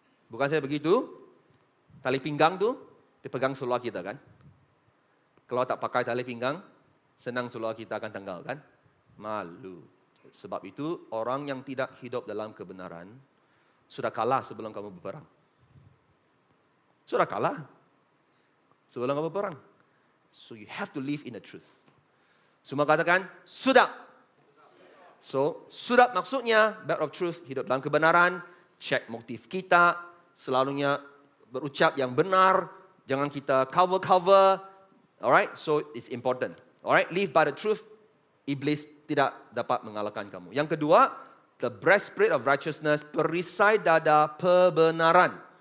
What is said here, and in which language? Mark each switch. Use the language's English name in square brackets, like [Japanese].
[Malay] Bukan saya begitu, tali pinggang tu dipegang seluar kita kan. Kalau tak pakai tali pinggang, senang seluar kita akan tanggal kan. Malu. Sebab itu orang yang tidak hidup dalam kebenaran, sudah kalah sebelum kamu berperang. [English] So you have to live in the truth. [Malay] Semua katakan, sudah. So, sudah maksudnya, [English] belt of truth, [Malay] hidup dalam kebenaran, check motif kita, selalunya berucap yang benar, jangan kita cover. [English] Alright, so it's important. Alright, live by the truth, [Malay] iblis tidak dapat mengalahkan kamu. Yang kedua, [English] the breastplate of righteousness, [Malay] perisai dada pebenaran.